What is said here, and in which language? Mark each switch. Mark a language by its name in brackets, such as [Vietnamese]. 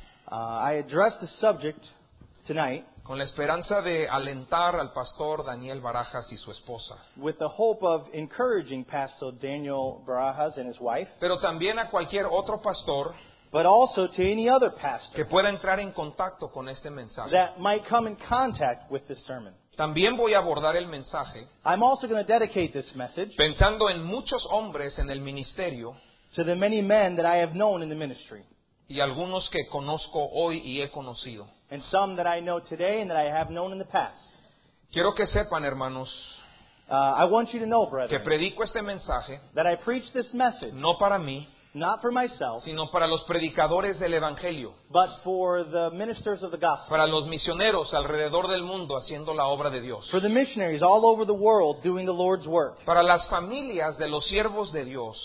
[English] I address the subject tonight [Spanish] con la esperanza de alentar al pastor Daniel Barajas y su esposa. [English] With the hope of encouraging Pastor Daniel Barajas and his wife. [Spanish] Pero también a cualquier otro pastor, [English] but also to any other pastor [Spanish] que pueda entrar en contacto con este mensaje. [English] That might come in contact with this sermon. [Spanish] También voy a abordar el mensaje. [English] I'm also going to dedicate this message [Spanish] pensando en muchos hombres en el ministerio, [English] to the many men that I have known in the ministry. [Spanish] Y algunos que conozco hoy y he conocido. [English] And some that I know today and that I have known in the past. [Spanish] Quiero que sepan, hermanos, [English] I want you to know, brethren, [Spanish] que predico este mensaje, [English] that I preach this message, [Spanish] no para mí, [English] not for myself, [Spanish] sino para los predicadores del Evangelio, [English] but for the ministers of the gospel, [Spanish] para los misioneros alrededor del mundo haciendo la obra de Dios, [English] for the missionaries all over the world doing the Lord's work, [Spanish] para las familias de los siervos de Dios,